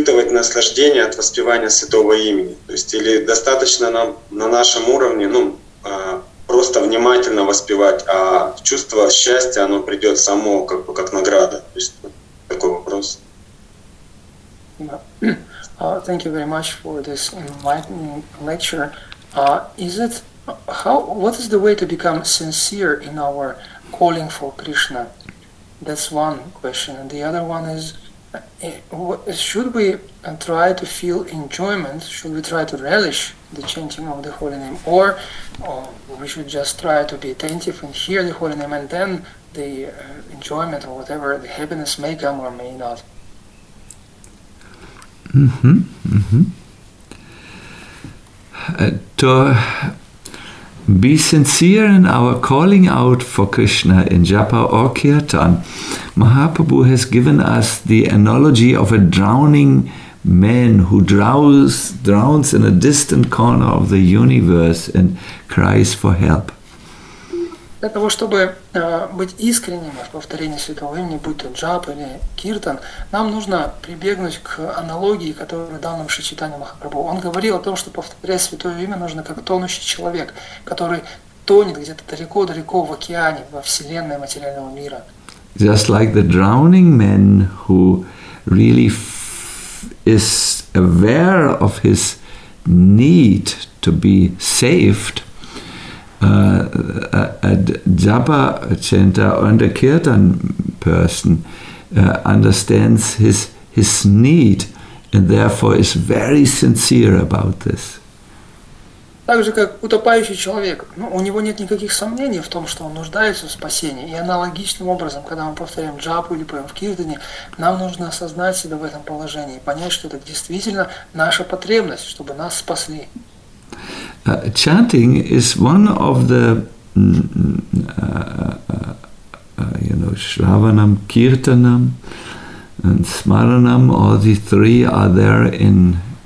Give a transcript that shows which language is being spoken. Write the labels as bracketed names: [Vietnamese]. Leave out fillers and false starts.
[Russian] наслаждение от воспевания святого имени, то есть или достаточно нам на нашем уровне, ну, просто внимательно воспевать, а чувство счастья оно придет само, как бы как награда, то есть такой вопрос. [English] Thank you very much for this enlightening lecture. Is it how? What is the way to become sincere in our calling for Krishna? That's one question, and the other one is, should we try to feel enjoyment? Should we try to relish the chanting of the holy name, or we should just try to be attentive and hear the holy name, and then the enjoyment or whatever, the happiness may come or may not. To be sincere in our calling out for Krishna in Japa or Kirtan, Mahaprabhu has given us the analogy of a drowning man who drowns in a distant corner of the universe and cries for help. [Russian] Для того, чтобы быть искренним в повторении святого имени, будь то джапа или киртан, нам нужно прибегнуть к аналогии, которую дал нам Шри Чайтанья Махапрабху. Он говорил о том, что повторять святое имя нужно как тонущий человек, который тонет где-то далеко-далеко в океане, во вселенной материального мира. [English] Just like the drowning man who really is aware of his need to be saved, a japa chanter and a kirtan person understands his need and therefore is very sincere about this. [Russian] Так же, как утопающий человек, ну, у него нет никаких сомнений в том, что он нуждается в спасении. И аналогичным образом, когда мы повторяем джапу или поем в киртане, нам нужно осознать себя в этом положении и понять, что это действительно наша потребность, чтобы нас спасли. [English] Chanting is one of the, shravanam, kirtanam, and smaranam, all the three are there in